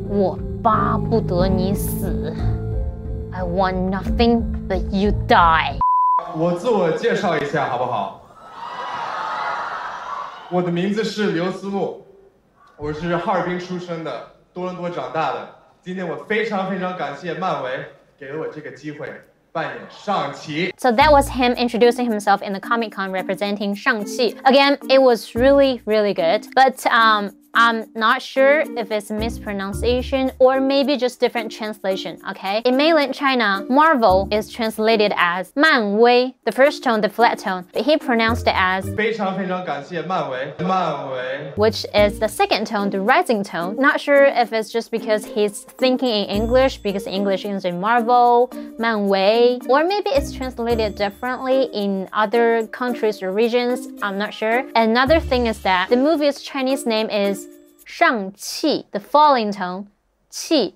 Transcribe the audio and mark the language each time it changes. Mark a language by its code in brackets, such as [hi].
[zh] 我巴不得你死. [en] I want nothing but you die. [zh] 我自我介绍一下好不好? 我的名字是刘思路, 我是哈尔滨出生的, 多伦多长大的, 今天我非常非常感谢漫威, [en] So that was him introducing himself in the Comic-Con representing Shang-Chi. Again, it was really, really good. But I'm not sure if it's mispronunciation or maybe just different translation, okay? In mainland China, Marvel is translated as 漫威, the first tone, the flat tone, but he pronounced it as [zh] 非常非常感谢漫威,漫威, [en] which is the second tone, the rising tone. Not sure if it's just because he's thinking in English, because English is in Marvel, 漫威, or maybe it's translated differently in other countries or regions, I'm not sure. Another thing is that the movie's Chinese name is Shang-Chi, the falling tone, Qi.